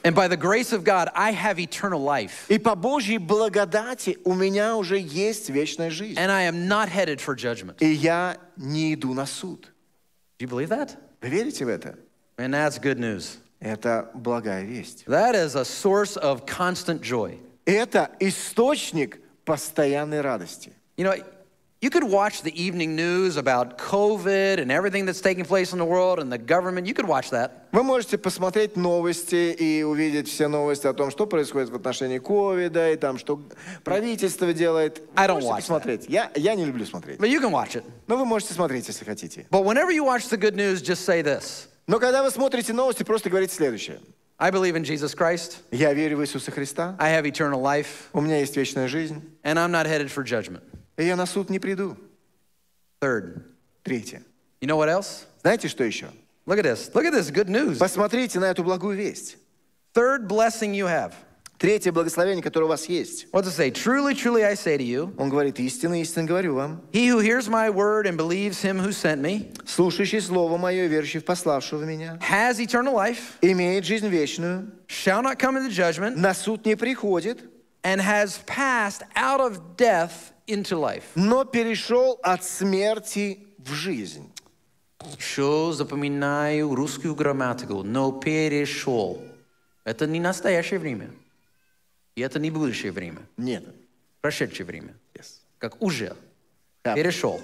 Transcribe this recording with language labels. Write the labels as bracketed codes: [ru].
[en] And by the grace of God, I have eternal life. [ru] И по Божьей благодати у меня уже есть вечная жизнь. [en] And I am not headed for judgment. [ru] И я не иду на суд. [en] Do you believe that? [ru] Вы верите в это? [en] And that's good news. [ru] Это благая весть. [en] That is a source of constant joy. [ru] Это источник постоянной радости. [en] You know, you could watch the evening news about COVID and everything that's taking place in the world and the government. You could watch that. [ru] Вы можете посмотреть новости и увидеть все новости о том, что происходит в отношении COVID, и там, что правительство делает. [en] I don't watch [ru] посмотреть. [en] That. [ru] Я не люблю смотреть. [en] But you can watch it. [ru] Но вы можете смотреть, если хотите. [en] But whenever you watch the good news, just say this. [ru] Но когда вы смотрите новости, просто говорите следующее. [en] I believe in Jesus Christ. [ru] Я верю в Иисуса Христа. [en] I have eternal life. [ru] У меня есть вечная жизнь. [en] And I'm not headed for judgment. [ru] И я на суд не приду. [en] Third. [ru] Третье. [en] You know what else? [ru] Знаете, что еще? [en] Look at this. Look at this good news. [ru] Посмотрите на эту благую весть. [en] Third blessing you have. [ru] Третье благословение, которое у вас есть. [en] What to say? Truly, truly, I say to you. [ru] Он говорит, истинно, истинно говорю вам. [en] He who hears my word and believes him who sent me. [ru] Слушающий слово мое и верующий в пославшего меня. [en] Has eternal life. [ru] Имеет жизнь вечную. [en] Shall not come into judgment. [ru] На суд не приходит. [en] And has passed out of death into life. [ru] Но перешел от смерти в жизнь. Еще запоминаю русскую грамматику. Но перешел. Это не настоящее время. И это не будущее время. Нет. Прошедшее время. [en] Yes. [ru] Как уже. [en] Yeah. [ru] Перешел.